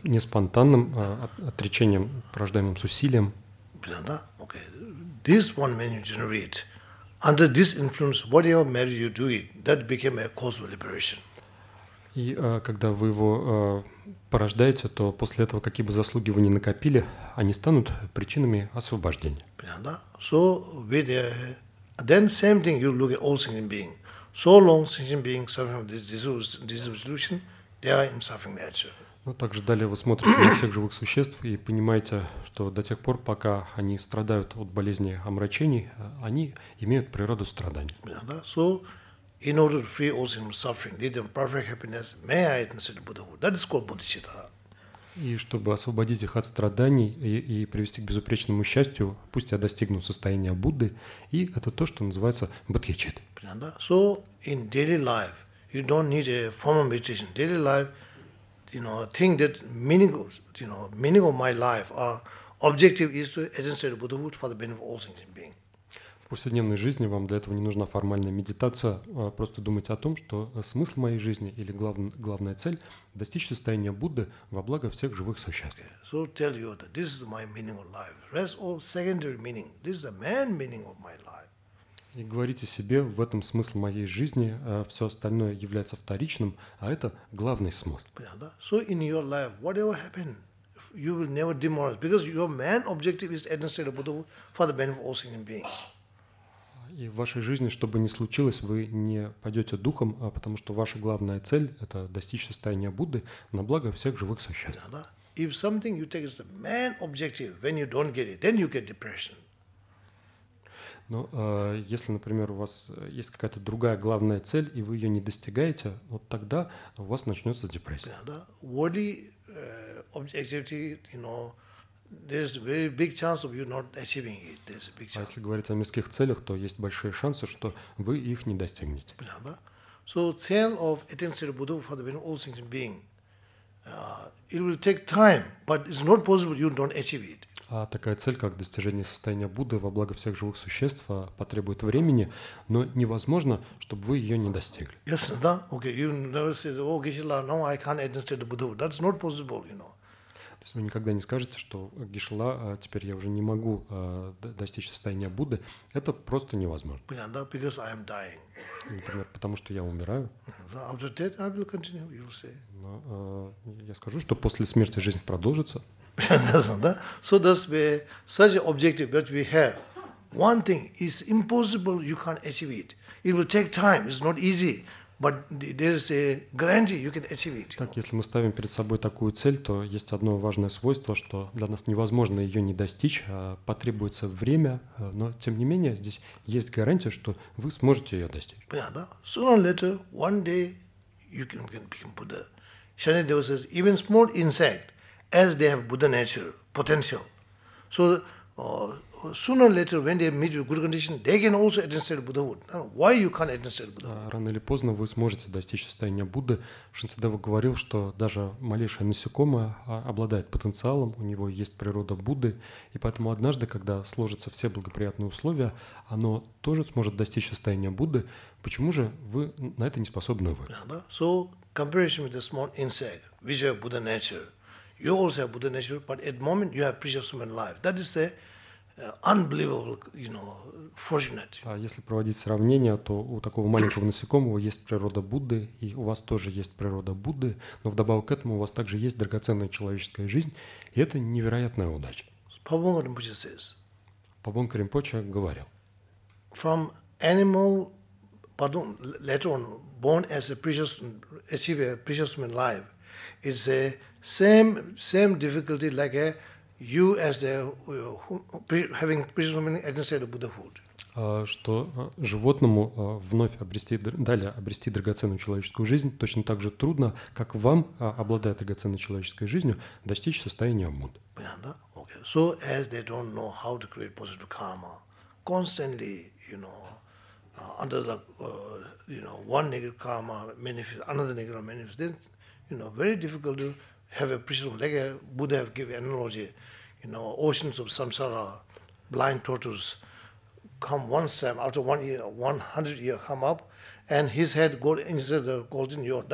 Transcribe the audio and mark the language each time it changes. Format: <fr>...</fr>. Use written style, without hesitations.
<ru>Не спонтанным отречением, порождаемым с усилием. Понятно? Okay.</ru> <en>This one when you generate, under this influence, whatever merit you do it, that became a cause of liberation.</en> <ru>И когда вы его порождаете, то после этого, какие бы заслуги вы ни накопили, они станут причинами освобождения. Понятно?</ru> <en>So, with then same thing you look at all sentient being. So long sentient being suffering from this disease of delusion, they are in suffering nature.</en> <ru>Но также далее вы смотрите на всех живых существ и понимаете, что до тех пор, пока они страдают от болезни омрачений, они имеют природу страдания. Понятно?</ru> <en>So, in order to free all sentient suffering, lead them perfect happiness, may I consider Buddhahood. That is called bodhicitta.</en> <ru>И чтобы освободить их от страданий и привести к безупречному счастью, пусть я достигну состояния Будды, и это то, что называется бодхичит. Понятно?</ru> <en>So, in daily life, you don't need a formal meditation. Daily life, you know, think that meaning of my life, our objective is to attain Buddhahood for the benefit of all sentient beings.</en> <ru>В повседневной жизни вам для этого не нужна формальная медитация. Просто думайте о том, что смысл моей жизни или главная цель – достичь состояния Будды во благо всех живых существ.</ru> <en>Okay. So tell you that this is my meaning of life. Rest all secondary meaning. This is the main meaning of my life.</en> <ru>И говорите себе, в этом смысл моей жизни, все остальное является вторичным, а это главный смысл. Понятно?</ru> <en>So in your life, whatever happened, you will never demoralize, because your main objective is to attain state of Buddhahood for the benefit of all sentient beings.</en> <ru>И в вашей жизни, что бы ни случилось, вы не падете духом, а потому что ваша главная цель – это достичь состояния Будды на благо всех живых существ. Понятно?</ru> <en>If something you take as the main objective, when you don't get it, then you get depression.</en> <ru>Но если, например, у вас есть какая-то другая главная цель, и вы ее не достигаете, вот тогда у вас начнется депрессия. Да, да.</ru> <en>Worldly objectivity, you know, there's very big chance of you not achieving it. There's a big chance.</en> <ru>А если говорить о мирских целях, то есть большие шансы, что вы их не достигнете. Да, да.</ru> <en>So cell of attention Buddha for the benefit of all sentient beings. It will take time, but it's not possible you don't achieve it.</en> <ru>А такая цель, как достижение состояния Будды во благо всех живых существ, потребует времени, но невозможно, чтобы вы ее не достигли.</ru> <en>Yes,</en> <ru>да.</ru> <en>Okay, you never say, oh, Geshe-la, no, I can't attain the Buddha. That's not possible, you know.</en> <ru>То есть вы никогда не скажете, что Geshe-la, теперь я уже не могу достичь состояния Будды. Это просто невозможно. Понятно, да?</ru> <en>Because I am dying.</en> <ru>Например, потому что я умираю.</ru> <en>After death, I will continue, you will say.</en> <ru>Но, я скажу, что после смерти жизнь продолжится. Да?</ru> <en>So that's where such an objective that we have. One thing is impossible, you can't achieve it. It will take time, it's not easy. But there is a guarantee you can achieve it.</en> <ru>Так, если мы ставим перед собой такую цель, то есть одно важное свойство, что для нас невозможно ее не достичь, потребуется время, но тем не менее здесь есть гарантия, что вы сможете ее достичь. Понятно, да?</ru> <en>Sooner or later, one day you can become Buddha. Shanadeva says, even small insect, as they have Buddha nature, potential. So sooner or later, when they meet with good condition, they can also attain state of Buddhahood. Why you can't attain state of Buddhahood?</en> <ru>Рано или поздно вы сможете достичь состояния Будды. Шанцедева говорил, что даже малейшее насекомое обладает потенциалом, у него есть природа Будды, и поэтому однажды, когда сложатся все благоприятные условия, оно тоже сможет достичь состояния Будды. Почему же вы на это не способны вы?</ru> <en>So comparison with the small insect, which have Buddha nature. You also have Buddha nature, but at the moment you have precious human life. That is a unbelievable, you know, fortunate.</en> <ru>А если проводить сравнение, то у такого маленького насекомого есть природа Будды, и у вас тоже есть природа Будды, но вдобавок к этому у вас также есть драгоценная человеческая жизнь, и это невероятная удача.</ru> <en>Пабонга Ринпоче says.</en> <ru>Пабонга Ринпоче говорил.</ru> <en>From animal, pardon, later on, born as a precious, achieve a precious human life, it's a same difficulty like a you as a having attained Buddhahood.</en> <ru>Что животному вновь обрести, далее обрести драгоценную человеческую жизнь точно так же трудно, как вам, обладая драгоценной человеческой жизнью, достичь состояния Будды. Понятно, да? Okay.</ru> <en>So as they don't know how to create positive karma, constantly, you know, under the, you know, one negative karma manifest, another negative karma manifest, then, you know, very difficult to have a precious, like a Buddha have given analogy, you know, oceans of samsara, blind tortoise, come one time, after 1 year, 100 years, come up, and his head go inside the golden yod.</en>